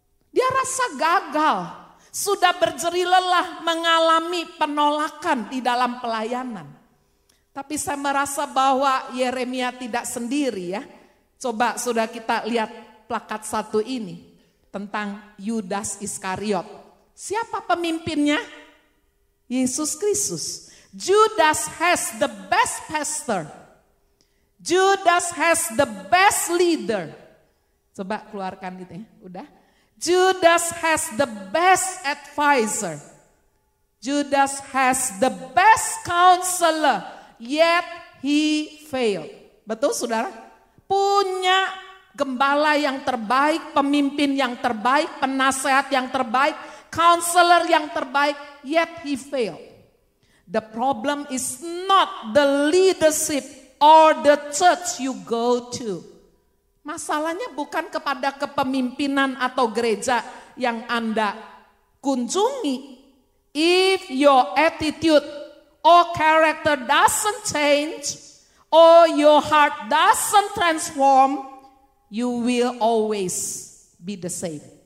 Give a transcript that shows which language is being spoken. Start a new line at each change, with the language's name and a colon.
Indonesian: Dia rasa gagal, sudah berjeri lelah mengalami penolakan di dalam pelayanan. Tapi saya merasa bahwa Yeremia tidak sendiri ya. Coba sudah kita lihat plakat satu ini tentang Yudas Iskariot. Siapa pemimpinnya? Yesus Kristus.
English: Judas has the best pastor. Judas has the best leader.
Indonesian: Coba keluarkan gitu ya, udah.
English: Judas has the best advisor. Judas has the best counselor. Yet he failed.
Indonesian: Betul saudara? Punya gembala yang terbaik, pemimpin yang terbaik, penasehat yang terbaik, counselor yang terbaik,
English: yet he failed. The problem is not the leadership or the church you go to.
Indonesian: Masalahnya bukan kepada kepemimpinan atau gereja yang Anda kunjungi.
English: If your attitude or character doesn't change, or your heart doesn't transform, you will always be the same.